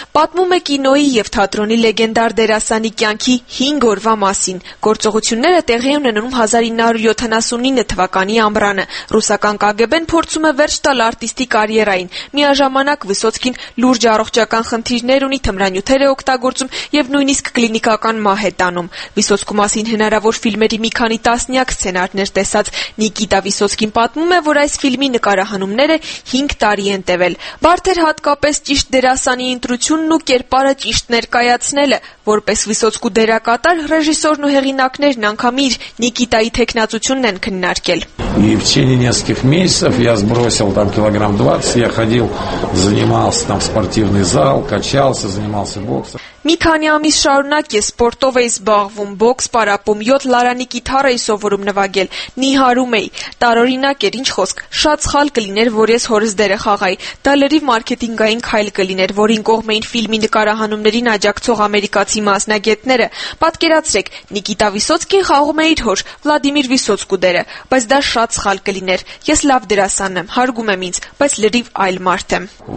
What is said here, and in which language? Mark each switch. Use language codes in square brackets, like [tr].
[hy] պատմում է կինոյի և թատրոնի լեգենդար դերասանի կյանքի 5 օրվա մասին։ Գործողությունները տեղի ունենում 1979 թվականի ամռանը։ Ռուսական ԿԳԲ-ն փորձում է վերջ տալ արտիստի կարիերային։ Միաժամանակ Վիսոցկին լուրջ առողջական խնդիրներ ունի, թմրանյութեր է օգտագործում և նույնիսկ կլինիկական մահ է տանում։ Վիսոցկու մասին հնարավոր ֆիլմերի մի քանի տասնյակ սցենարներ տեսած Նիկիտա Վիսոցկին պատմում է, որ այս ֆիլմի նկարահանումները 5 տարի են տևել։ Բարդեր հատկապես ճիշտ դերասանի ընտրությունն ու կերպարը ճիշտ ներկայացնելը, որպես Վիսոցկու դերակատար, ռեժիսորն ու հեղինակներն անգամ իր Նիկիտայի թեկնածությունն են քննարկել։ [ru] В течение нескольких месяцев я сбросил там килограмм 20, я ходил, занимался там в спортивный зал, качался, занимался боксом. [hy] Մի քանի ամիս շարունակ ես սպորտով էի զբաղվում, բոքս պարապում, 7 լարանի կիթառ էի սովորում նվագել, նիհարում էի, տարօրինակ էր, ինչ խոսք, շատ սխալ կլիներ, որ ես հորս դերը խաղայի, դա լրիվ մարքետինգային քայլ կլիներ, որին կողմեին ֆիլմի նկարահանումներին աջակցող ամերիկացի մասնագետները, պատկերացրեք, Նիկիտա Վիսոցկին խաղում է իր հոր, Վլադիմիր Վիսոցկու դերը, բայց դա շատ սխալ կլիներ, ես լավ դերասան եմ, հարգում եմ ինձ, բայց լրիվ այլ մարդ եմ.